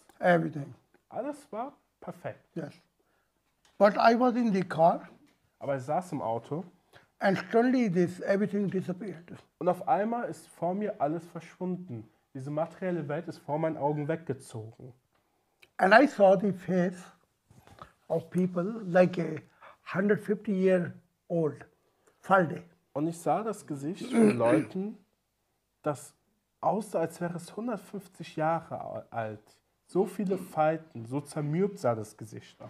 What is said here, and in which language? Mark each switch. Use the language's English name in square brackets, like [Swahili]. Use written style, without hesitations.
[English] Everything. [German] Alles war perfekt. [English] Yes. But I was in the car. [German] Aber ich saß im Auto. [English] And suddenly this everything disappeared. [German] Und auf einmal ist vor mir alles verschwunden. Diese materielle Welt ist vor meinen Augen weggezogen. [English] And I saw the face of people like a 150 year old Falde. [German] Und ich sah das Gesicht von Leuten, das aussah, als wäre es 150 Jahre alt. So viele Falten, so zermürbt sah das Gesicht aus.